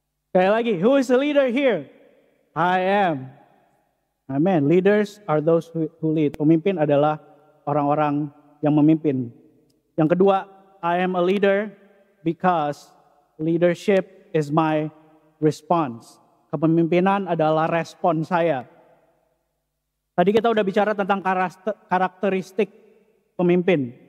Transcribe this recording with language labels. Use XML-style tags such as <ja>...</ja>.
<id>Sekali lagi,</id> <en>who is the leader here? I am. Amen. Leaders are those who lead.</en> <id>Pemimpin adalah orang-orang yang memimpin. Yang kedua,</id> <en>I am a leader because leadership is my response.</en> <id>Kepemimpinan adalah respon saya. Tadi kita udah bicara tentang karakteristik pemimpin.</id>